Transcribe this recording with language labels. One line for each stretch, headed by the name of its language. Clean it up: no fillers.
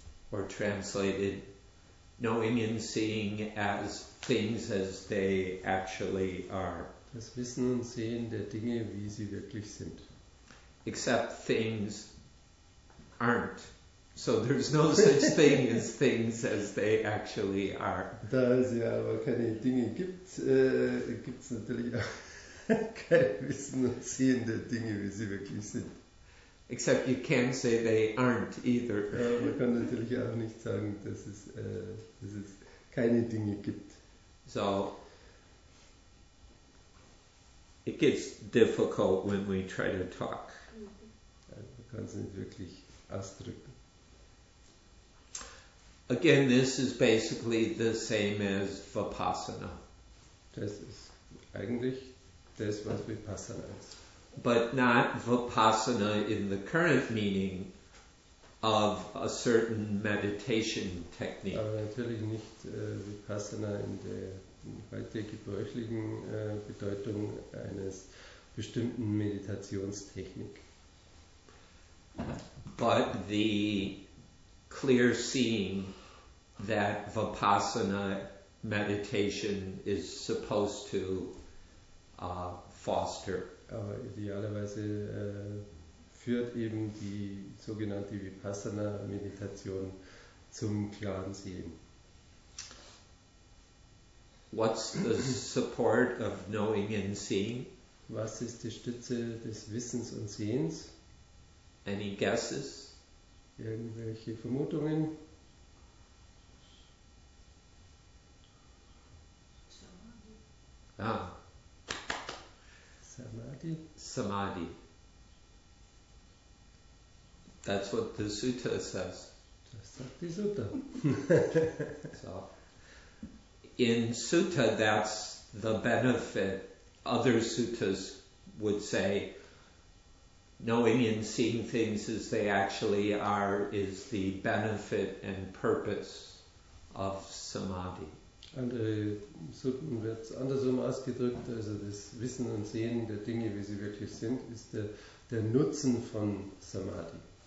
English: Or translated, knowing and seeing as things as they actually are.
German: Das Wissen und Sehen der Dinge, wie sie wirklich sind.
English: Except things aren't. So there's no such thing as things as they actually are.
German: Da es ja aber keine Dinge gibt, gibt es natürlich auch kein Wissen und Sehen der Dinge, wie sie wirklich sind.
English: Except you can't say they aren't either.
German: Ja, man kann natürlich auch nicht sagen, dass es keine Dinge gibt.
English: So, it gets difficult when we try to talk.
German: Man kann es nicht wirklich ausdrücken.
English: Again, this is basically the same as Vipassana.
German: Das ist eigentlich das, was Vipassana ist.
English: But not Vipassana in the current meaning of a certain meditation technique.
German: Aber natürlich nicht Vipassana in der heute gebräuchlichen Bedeutung eines bestimmten Meditationstechnik.
English: But the clear seeing that Vipassana meditation is supposed to foster.
German: Aber idealerweise führt eben die sogenannte Vipassana-Meditation zum klaren Sehen.
English: What's the support of knowing and seeing?
German: Was ist die Stütze des Wissens und Sehens?
English: Any guesses?
German: Irgendwelche Vermutungen? Ah.
Pali: Samadhi. Samadhi.
English: That's what the sutta says.
German: Das sagt die Sutta.
English: So, in sutta, that's the benefit. Other suttas would say, knowing and seeing things as they actually are is the benefit and purpose of samadhi.
German: Andere Sutten wird es andersrum ausgedrückt, also das Wissen und Sehen der Dinge, wie sie wirklich sind, ist der Nutzen von Samadhi.